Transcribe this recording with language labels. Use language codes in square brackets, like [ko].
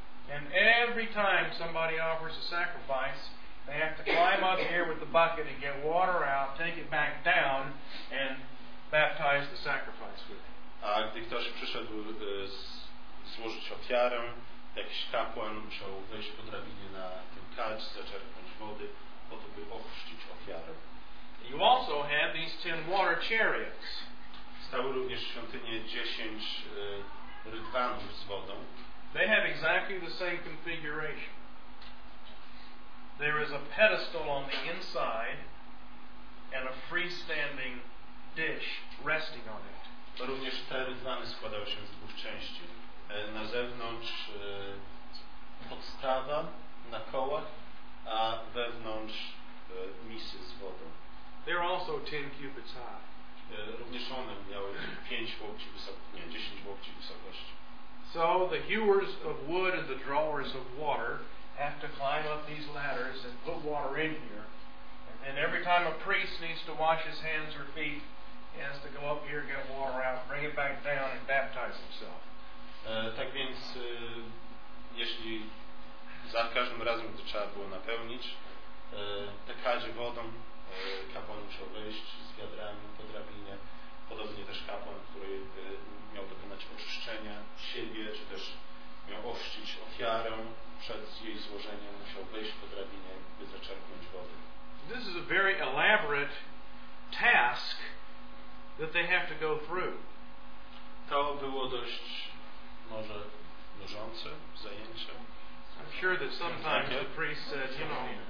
[en] And every time somebody offers a sacrifice, they have to climb up here with the bucket and get water out, take it back down, and baptize the sacrifice with it. [pl] A gdy ktoś przyszedł złożyć ofiarę, jakiś kapłan musiał wejść po drabinie na ten kadź, zaczerpnąć wody, po to, by ochrzcić ofiarę. [en] You also had these 10 water chariots. [pl] Stały również w świątynie 10 rydwanów z wodą. [en] They have exactly the same configuration. There is a pedestal on the inside and a freestanding dish resting on it. [pl] Również te rydwany składały się z dwóch części. Na zewnątrz podstawa na kołach, a wewnątrz misy z wodą. [en] They're also 10 cubits high. [pl] Również one miały 5 łokci wysokości, nie, 10 łokci wysokości. [en] So the hewers of wood and the drawers of water have to climb up these ladders and put water in here. And every time a priest needs to wash his hands or feet, he has to go up here, get water out, bring it back down and baptize himself. [pl] Tak więc jeśli za każdym razem, gdy trzeba było napełnić te kadzie wodą, kapłan musiał wejść z wiadrami po drabinie. Podobnie też kapłan, który miał dokonać oczyszczenia siebie, czy też miał ochrzcić ofiarę przed jej złożeniem, musiał wejść po drabinie, by zaczerpnąć wody. [en] This is a very elaborate task that they have to go through. [pl] To było dość może nużące zajęcie. [en] I'm sure that sometimes the priest said, you know,